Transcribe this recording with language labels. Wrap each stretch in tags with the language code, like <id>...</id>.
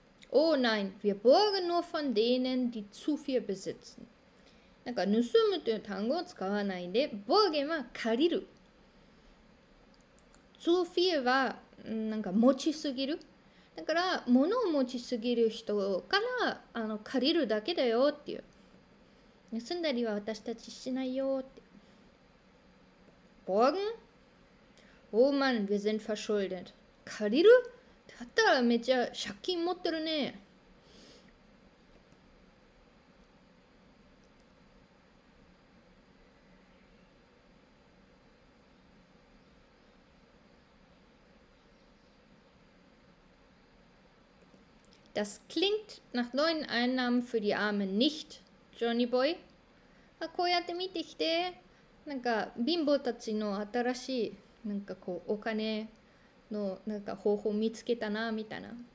<de>Oh nein, wir borgen nur von denen, die zu viel besitzen.</de> <ja>なんか盗むという単語を使わないで、ボーゲンは借りる。ツーフィーはなんか持ちすぎる。だから物を持ちすぎる人から借りるだけだよっていう。盗んだりは私たちしないよって。ボーゲン、オーマン、</ja> <de>wir sind verschuldet。</de> <ja>借りる？だったらめっちゃ借金持ってるね。</ja> <de>Das klingt nach neuen Einnahmen für die Armen nicht, Johnny Boy.</de> <ja>あ、こうやって見てきて、なんか貧乏たちの新しいなんかこうお金のなんか方法を見つけたなみたいな。</ja>